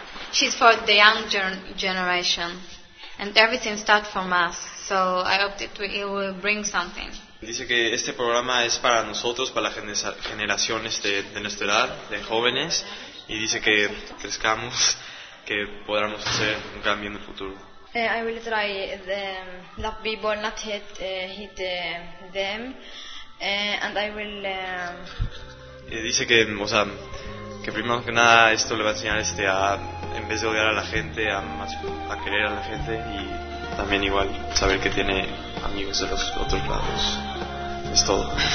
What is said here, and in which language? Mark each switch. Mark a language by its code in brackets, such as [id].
[en] She's for the young generation, and everything starts from us. So I hope that it will bring something. [es] Dice que este programa es para nosotros, para la generación de nuestra edad, de jóvenes, y dice que crezcamos, que podamos hacer un cambio en el futuro. [en] I will try to love people, not hit them, and I will. [es] Dice que, o sea, que primero que nada esto le va a enseñar a, en vez de odiar a la gente, a querer a la gente, y también igual saber que tiene amigos de los otros lados. Es todo.